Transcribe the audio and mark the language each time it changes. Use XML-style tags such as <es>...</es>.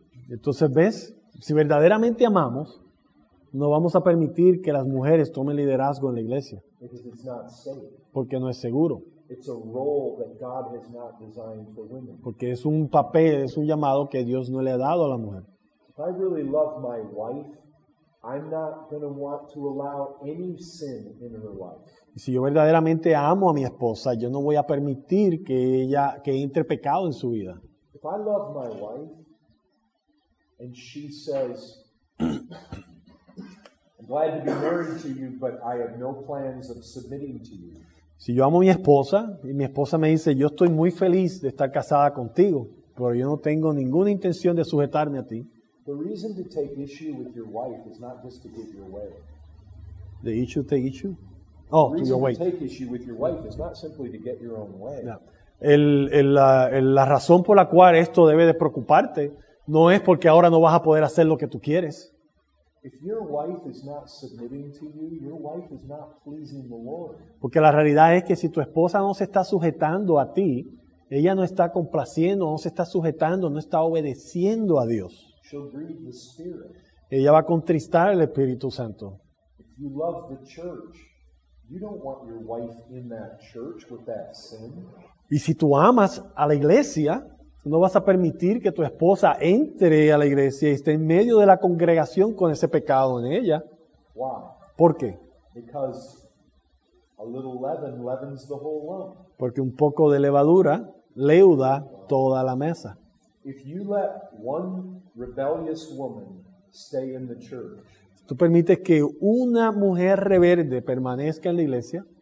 <es>Entonces, ¿ves? Si verdaderamente amamos, no vamos a permitir que las mujeres tomen liderazgo en la iglesia.</es> <en>Because it's not safe.</en> <es>Porque no es seguro.</es> <en>It's a role that God has not designed for women.</en> <es>Porque es un papel, es un llamado que Dios no le ha dado a la mujer.</es> <en>If I really love my wife, I'm not going to want to allow any sin in her life.</en> <es>Si yo verdaderamente amo a mi esposa, yo no voy a permitir que ella que entre pecado en su vida.</es> <en>If I love my wife and she says, "I'm glad to be married to you, but I have no plans of submitting to you."</en> <es>Si yo amo a mi esposa y mi esposa me dice, "Yo estoy muy feliz de estar casada contigo." pero yo no tengo ninguna intención de sujetarme a ti.</es> <en>The reason to take issue with your wife is not just to get your way. The issue to take issue? Oh, to your way. The reason to take issue with your wife is not simply to get your own way.</en> <es>No. La razón por la cual esto debe de preocuparte no es porque ahora no vas a poder hacer lo que tú quieres.</es> <en>If your wife is not submitting to you, your wife is not pleasing the Lord.</en> <es>Porque la realidad es que si tu esposa no se está sujetando a ti, ella no está complaciendo, no se está sujetando, no está obedeciendo a Dios.</es> <en>She'll grieve the Spirit.</en> <es>Ella va a contristar al Espíritu Santo.</es> <en>If you love the church, you don't want your wife in that church with that sin.</en> <es>Y si tú amas a la iglesia, no vas a permitir que tu esposa entre a la iglesia y esté en medio de la congregación con ese pecado en ella.</es> <en>Why?</en> <es>¿Por qué?</es> <en>Because a little leaven leavens the whole lump.</en> <es>Porque un poco de levadura leuda toda la mesa.</es> <en>If you let one rebellious woman stay in the church,</en> <es>tú permites que una mujer rebelde permanezca en la iglesia,</es>